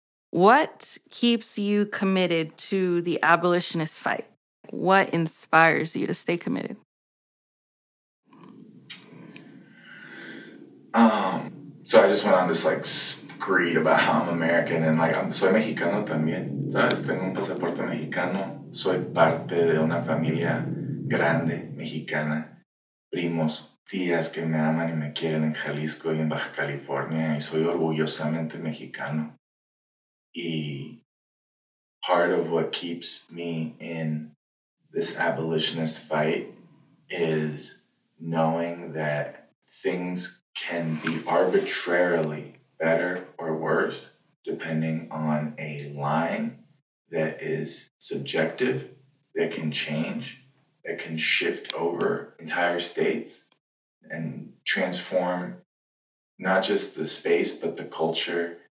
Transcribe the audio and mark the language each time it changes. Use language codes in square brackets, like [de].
[en] What keeps you committed to the abolitionist fight? What inspires you to stay committed? So I just went on this like screed about how I'm American and like, [es] soy mexicano también, sabes? Tengo un pasaporte mexicano. Soy parte de una familia grande mexicana. Primos, tías que me aman y me quieren en Jalisco y en Baja California. Y soy orgullosamente mexicano. [en] Y part of what keeps me in this abolitionist fight is knowing that things can be arbitrarily better or worse depending on a line that is subjective, that can change, that can shift over entire states and transform not just the space, but the culture.